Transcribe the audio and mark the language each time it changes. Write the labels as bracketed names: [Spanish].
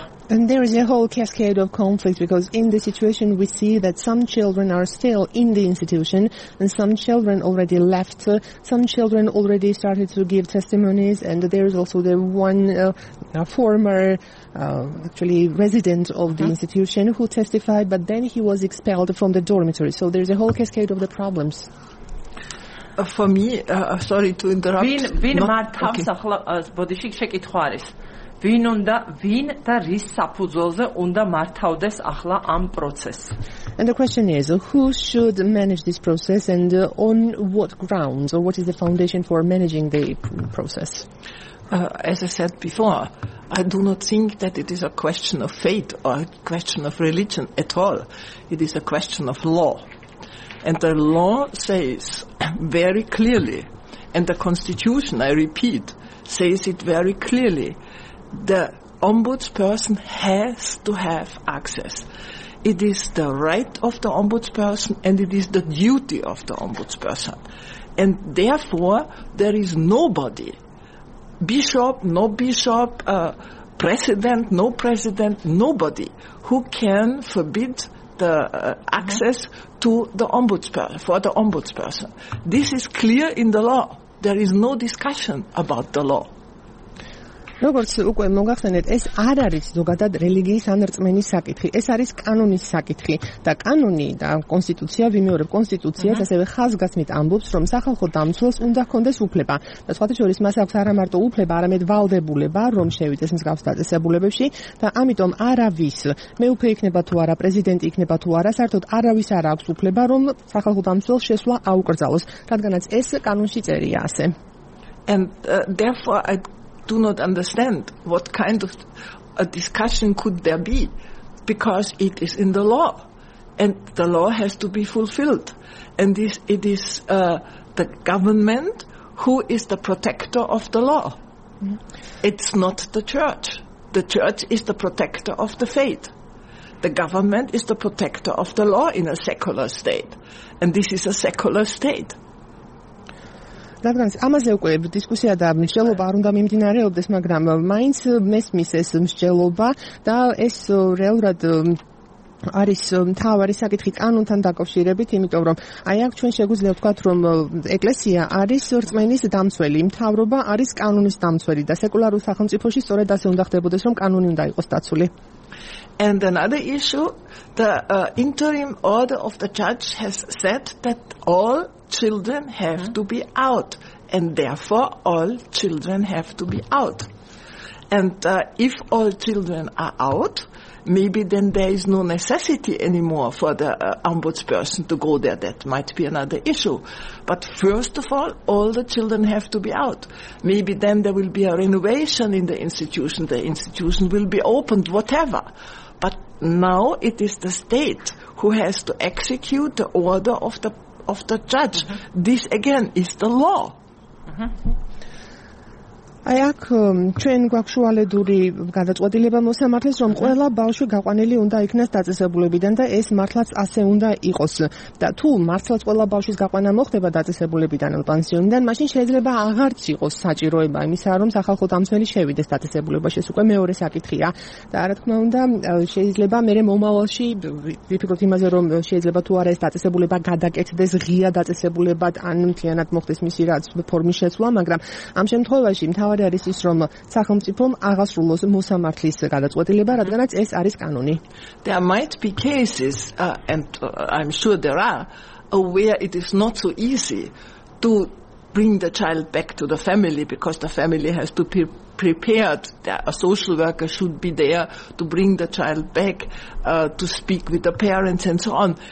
[English] And there is a whole cascade of conflict, because in the situation we see that some children are still in the institution and some children already left, some children already started to give testimonies, and there is also the one former actually resident of the institution who testified, but then he was expelled from the dormitory. So there is a whole cascade of the problems. For me, sorry to interrupt. [Georgian] ვინ მართავს ახლა ბოდიში შეკითხვა არის. ვინ და რის საფუძველზე უნდა მართავდეს ახლა ამ პროცესს? [English] And the question is, who should manage this process, and on what grounds, or what is the foundation for managing the process? As I said before, I do not think that it is a question of fate or a question of religion at all. It is a question of law. And the law says very clearly, and the Constitution, I repeat, says it very clearly, the ombudsperson has to have access. it is the right of the ombudsperson and it is the duty of the ombudsperson. And therefore, there is nobody, bishop, no bishop, president, no president, nobody who can forbid the access to the ombudsperson, for the ombudsperson. This is clear in the law. There is no discussion about the law. [Georgian] როგორც უკვე მოგახსენეთ, ეს არ არის ზოგადად რელიგიის ან რწმენის საკითხი, ეს არის კანონის საკითხი და კანონი და კონსტიტუცია, ვიმეორებ, კონსტიტუციას ასევე ხაზგასმით ამბობს, რომ სახალხო დამცველს უნდა ჰქონდეს უფლება და სხვათა შორის მას აქვს არა მარტო უფლება, არამედ ვალდებულება, რომ შევიდეს მსგავს დაწესებულებებში და ამიტომ არავის, მეუფე იქნება თუ არა, პრეზიდენტი იქნება თუ არა, საერთოდ არავის არ აქვს უფლება, რომ სახალხო დამცველს შესვლა აუკრძალოს, რადგანაც ეს კანონში წერია ასე. [English] And therefore I do not understand what kind of a discussion could there be, because it is in the law, and the law has to be fulfilled. And this, it is the government who is the protector of the law. Mm-hmm. It's not the church. The church is the protector of the faith. The government is the protector of the law in a secular state, and this is a secular state. [Georgian] რადგანაც ამაზე უკვე დისკუსია და მსჯელობა არ უნდა მიმდინარეობდეს, მაგრამ მაინც მესმის ეს მსჯელობა და ეს რეალურად არის მთავარი საკითხი კანონთან დაკავშირებით, იმიტომ რომ აი აქ ჩვენ შეგვიძლია ვთქვათ, რომ ეკლესია არის რწმენის დამცველი, მთავრობა არის კანონის დამცველი და სეკულარულ სახელმწიფოში სწორედ ასე უნდა ხდებოდეს, რომ კანონი უნდა იყოს დაცული. [English] And another issue, the interim order of the judge has said that all children have to be out, and therefore all children have to be out. And if all children are out, maybe then there is no necessity anymore for the ombudsperson to go there. That might be another issue. But first of all the children have to be out. Maybe then there will be a renovation in the institution. The institution will be opened, whatever. But now it is the state who has to execute the order of the judge. This again is the law. [Georgian] აი აქ ჩვენ გვაქშუალედური გადაწყვეტილება მოსამართლეს, რომ ყველა ბავშვი გაყვანილი უნდა იქნას დაწესებულებიდან და ეს მართლაც ასე უნდა იყოს. და თუ მართლაც ყველა ბავშვის გაყვანა მოხდება დაწესებულებიდან ან პანსიონიდან, მაშინ შეიძლება აღარც იყოს საჭიროება იმისა, რომ სახალხო დამცველი შევიდეს დაწესებულებაში. ეს უკვე მეორე საკითხია. და რა თქმა უნდა, შეიძლება მერე მომავალში ვიფიქროთ იმაზე, რომ შეიძლება თუ არა ეს დაწესებულება გადაკეთდეს ღია დაწესებულებად ან მთლიანად მოხდეს მისი რაც ფორმის შეცვლა, მაგრამ ამ შემთხვევაში თავად არის ის, რომ სახელმწიფომ აღასრულოს მოსამართლის გადაწყვეტილება, რადგანაც ეს არის კანონი. [English] There might be cases, and I'm sure there are, where it is not so easy to bring the child back to the family, because the family has to be prepared. A social worker should be there to bring the child back, to speak with the parents and so on.